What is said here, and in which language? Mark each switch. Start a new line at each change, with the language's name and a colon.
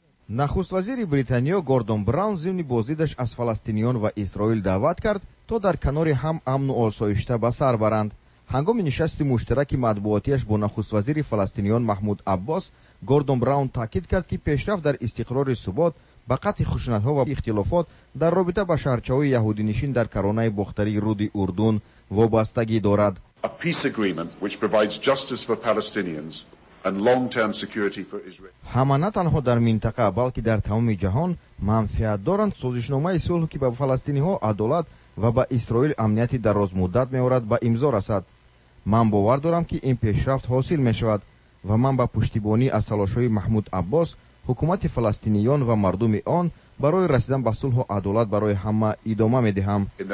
Persian: نخست وزیر بریتانیا گوردون براون ضمن بازدیدش از فلسطینیان و اسرائیل دعوت کرد تا در کنار هم امن و آسایشته به سر برند. هنگام نشست مشترک مطبوعاتیش با نخست وزیر فلسطینیان محمود عباس، گوردون براون تاکید کرد که پیشرفت در استقرار ثبات با قطع خشونت‌ها و اختلافات در رابطه با شهرچه‌های یهودی نشین در کرانه بختری رود اردن وابستگی دارد.
English: A peace agreement which provides justice for Palestinians and long-term security for Israel.
Persian: همه نه تنها در منطقه بلکه در تمام جهان منفعت دارند. سازشنامه صلح که به فلسطینی‌ها عدالت و با اسرائیل امنیتی در روز مدت می آورد با امضا رسد. من باور دارم که این پیشرفت حاصل می شود و من با پشتیبانی از تلاش های محمود عباس، حکومت فلسطینیان و مردم آن برای رسیدن به صلح و عدالت برای همه ادامه می دهم.